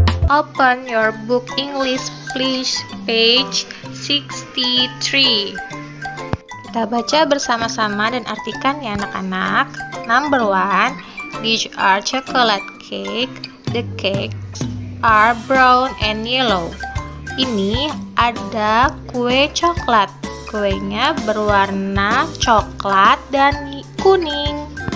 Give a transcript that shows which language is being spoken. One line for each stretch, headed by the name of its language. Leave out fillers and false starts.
English: Open your book English please page 63.
Indonesian: Kita baca bersama-sama dan artikan ya anak-anak.
English: Number 1, these are chocolate cake. The cakes are brown and yellow.
Indonesian: Ini ada kue coklat. Kuenya berwarna coklat dan kuning.